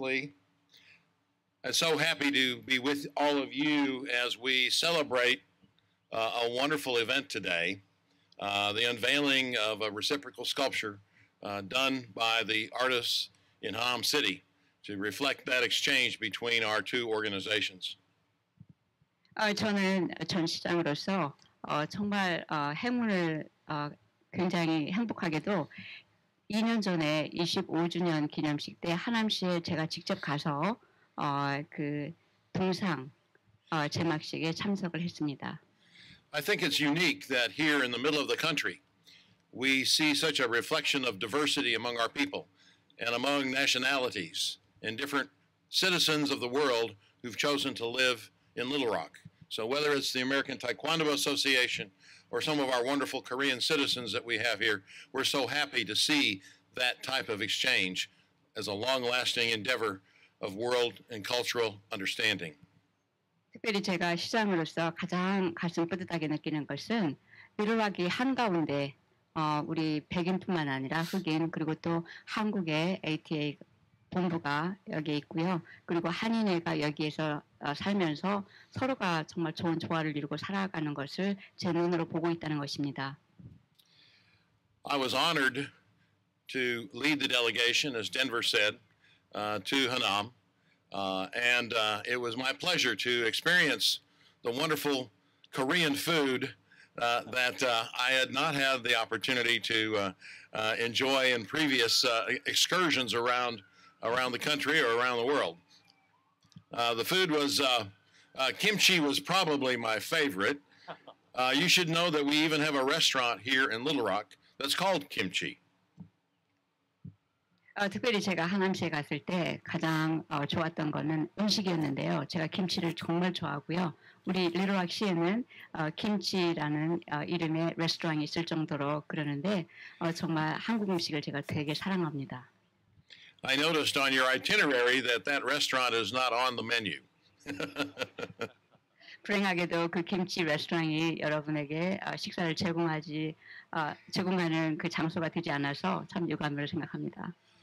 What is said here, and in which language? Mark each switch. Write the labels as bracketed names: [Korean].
[English] Lee, I'm so happy to be with all of you as we celebrate a wonderful event today, the unveiling of a reciprocal sculpture done by the artists in Hanam City to reflect that exchange between our two organizations. [Korean] 저는 전 시장으로서 정말 행운을 굉장히 행복하게도 2년 전에 25주년 기념식 때 하남시에 제가 직접 가서 그 동상 제막식에 참석을 했습니다. [English] I think it's unique that here in the middle of the country, we see such a reflection of diversity among our people and among nationalities and different citizens of the world who've chosen to live in Little Rock. So whether it's the American Taekwondo Association or some of our wonderful Korean citizens that we have here, we're so happy to see that type of exchange as a long-lasting endeavor of world and cultural understanding. [Korean] 특별히 제가 시장으로서 가장 가슴 뿌듯하게 느끼는 것은 미르락이 한가운데 우리 백인뿐만 아니라 흑인 그리고 또 한국의 ATA 본부가 여기 있고요. 그리고 한인회가 여기에서 살면서 서로가 정말 좋은 조화를 이루고 살아가는 것을 제 눈으로 보고 있다는 것입니다. [English] I was honored to lead the delegation, as Denver said, to Hanam, and it was my pleasure to experience the wonderful Korean food that I had not had the opportunity to enjoy in previous excursions around the country or around the world. The food was, kimchi was probably my favorite. You should know that we even have a restaurant here in Little Rock that's called Kimchi. [Korean] 특별히 제가 하남시에 갔을 때 가장 좋았던 거는 음식이었는데요. 제가 김치를 정말 좋아하고요. 우리 리로락 시에는 김치라는 이름의 레스토랑이 있을 정도로 그러는데 정말 한국 음식을 제가 되게 사랑합니다. [English] I noticed on your itinerary that that restaurant is not on the menu. [Korean] 불행하게도 그 김치 레스토랑이 여러분에게 식사를 제공하는 그 장소가 되지 않아서 참 유감으로 생각합니다.